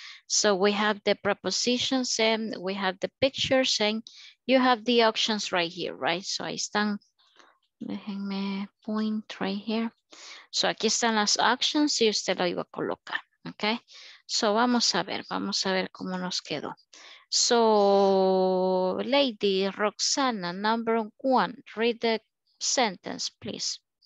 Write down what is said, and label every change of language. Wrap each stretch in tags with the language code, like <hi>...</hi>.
<en>So we have the prepositions and we have the pictures and you have the options right here, right? So</en> <es>ahí están, déjenme</es> <en>point right here.</en> <es>So aquí están las options y usted lo iba a colocar, okay? So vamos a ver cómo nos quedó.</es> <en>So Lady Roxana, number one, read the sentence, please.</en>